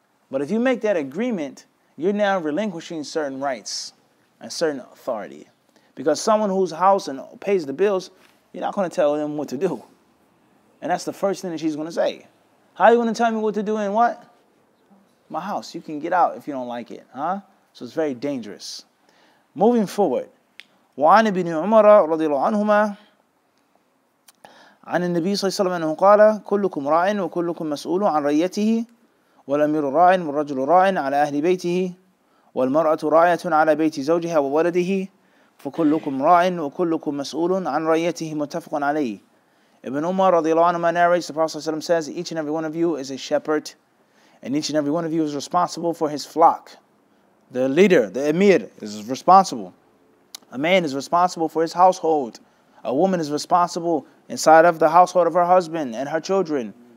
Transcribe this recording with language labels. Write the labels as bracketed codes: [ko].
[en] But if you make that agreement, you're now relinquishing certain rights and certain authority. Because someone whose house and pays the bills, you're not going to tell them what to do. And that's the first thing that she's going to say. How are you going to tell me what to do in what? My house. You can get out if you don't like it. Huh? So it's very dangerous. Moving forward. [ar] وعن ابن عمر رضي الله عنهما عن النبي صلى الله عليه وسلم أنه قال كلكم راع وكلكم مسؤول عن رعيته والأمير راع والرجل راع على أهل بيته والمرأة راعية على بيت زوجها وولده فكلكم راع وكلكم مسؤول عن رعيته متفق عليه. [en] Ibn Umar رضي الله عنهما narrates, the Prophet ﷺ says, each and every one of you is a shepherd, and each and every one of you is responsible for his flock. The leader, the emir, is responsible. A man is responsible for his household. A woman is responsible inside of the household of her husband and her children.